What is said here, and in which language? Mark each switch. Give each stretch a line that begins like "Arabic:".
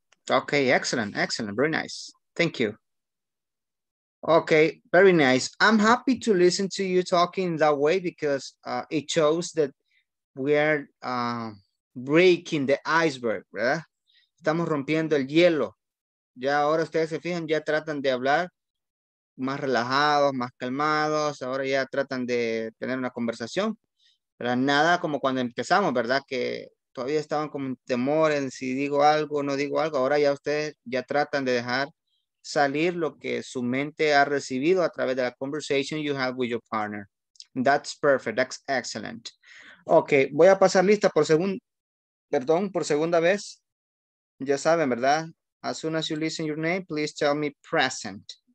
English: Okay, excellent, excellent. Very nice. Thank you. Okay, very nice. I'm happy to listen to you talking that way because it shows that we are breaking the iceberg, ¿verdad?
Spanish: Estamos rompiendo el hielo. Ya ahora ustedes se fijan, ya tratan de hablar más relajados, más calmados. Ahora ya tratan de tener una conversación. Pero nada como cuando empezamos, ¿verdad? Que todavía estaban como en temor en si digo algo o no digo algo. Ahora ya ustedes ya tratan de dejar salir lo que su mente ha recibido a través de la conversation
English: you have with your partner. That's perfect. That's excellent.
Spanish: Okay, voy a pasar lista por segunda vez. Ya saben, ¿verdad?
English: As soon as you listen your name, please tell me present.